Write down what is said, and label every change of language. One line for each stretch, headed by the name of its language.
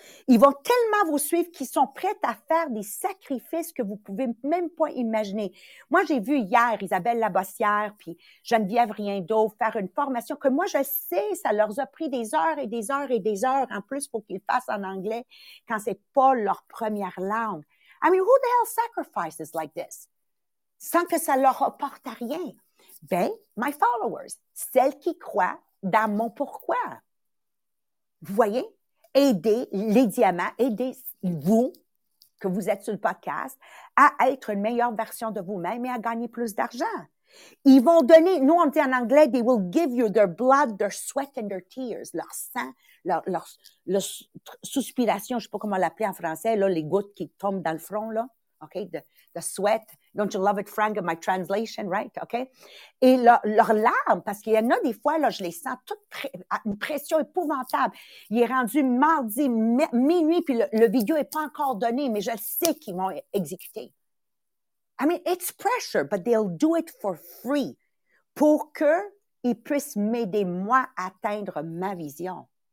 French: Ils vont tellement vous suivre qu'ils sont prêts à faire des sacrifices que vous pouvez même pas imaginer. Moi, j'ai vu hier Isabelle Labossière puis Geneviève Riendeau faire une formation que moi, je sais, ça leur a pris des heures et des heures et des heures en plus pour qu'ils fassent en anglais quand c'est pas leur première langue.
English: I mean, who the hell sacrifices like this?
French: Sans que ça leur apporte à rien. Ben,
English: my followers,
French: celles qui croient dans mon pourquoi. Vous voyez, aider les diamants, aider vous, que vous êtes sur le podcast, à être une meilleure version de vous-même et à gagner plus d'argent. Ils vont donner, nous on dit en anglais,
English: they will give you their blood, their sweat and their tears,
French: leur sang, leur suspiration, je ne sais pas comment l'appeler en français, là, les gouttes qui tombent dans le front, là.
English: OK, the sweat. Don't you love it, Frank, my translation, right? OK?
French: Et leur larmes, parce qu'il y en a des fois, là, je les sens toutes une pression épouvantable. Il est rendu mardi minuit, puis le vidéo n'est pas encore donné, mais je sais qu'ils vont exécuter.
English: I mean, it's pressure, but they'll do it for free
French: pour qu'ils puissent m'aider, moi, à atteindre ma vision.